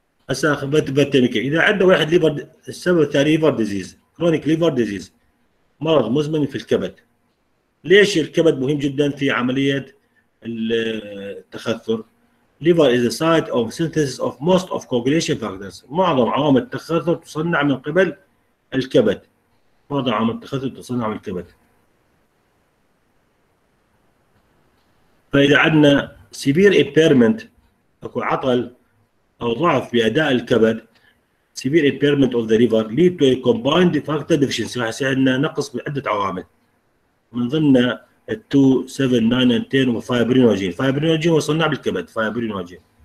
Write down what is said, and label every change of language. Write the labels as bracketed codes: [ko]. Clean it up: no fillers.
[ar] هسه اخذ فيتامين كي، اذا عنده واحد ليفر السبب الثاني ليفر ديزيز، كرونيك ليفر ديزيز، مرض مزمن في الكبد. ليش الكبد مهم جدا في عمليه التخثر؟ [en] Liver is the site of synthesis of most of coagulation factors. [ar] معظم عوامل التخثر تصنع من قبل الكبد. معظم عوامل التخثر تصنع من الكبد. فإذا عندنا severe impairment أكو عطل أو ضعف بأداء الكبد [en] severe impairment of the liver lead to a combined factor deficiency [ar] راح يصير عندنا نقص بعدة عوامل من ضمنها 2 7 9 and 10 وفايبرينوجين فايبرينوجين وصلنا بالكبد فايبرينوجين